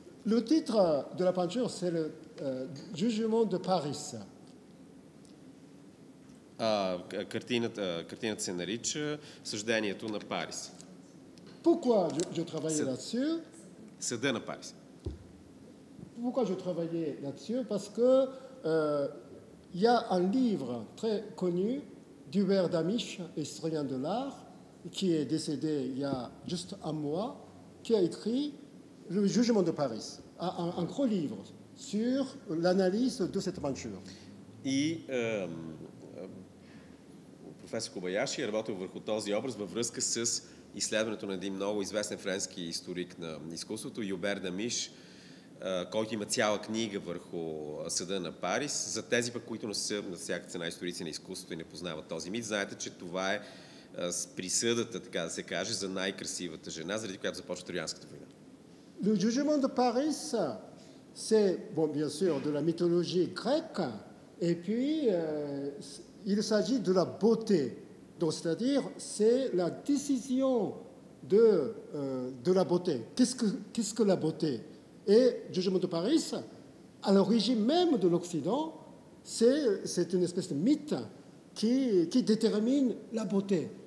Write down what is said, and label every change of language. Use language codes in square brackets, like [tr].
[fr] Le titre de la peinture, c'est le Jugement de Paris. [bg] Картината се нарича Съждението на Парис. [fr] Pourquoi je travaillais là-dessus? [bg] Съда на Парис. [fr] Pourquoi je travaillais là-dessus? Parce que il y a un livre très connu d'Hubert Damisch, historien de l'art, qui est décédé il y a juste un mois, qui a écrit Le Jugement de Paris, un gros livre sur l'analyse de cette peinture. Et professeur Kobayashi a travaillé sur cet [bg] образ en връзка с изследването на един много известен френски историк на изкуството, Hubert Damisch, който има цяла книга върху съда на Парис. За тези пък, които не са на всяка цена историци на изкуството и не познават този мит, знаете, че това е с присъдата, така да се каже, за най-красивата жена, заради която започва Троянската война. [fr] Le jugement de Paris, c'est, bon, bien sûr, de la mythologie grecque, et puis, il s'agit de la beauté. Donc, c'est-à-dire, c'est la décision de la beauté. Qu'est-ce que la beauté? Et Jugement de Paris, à l'origine même de l'Occident, c'est une espèce de mythe qui détermine la beauté.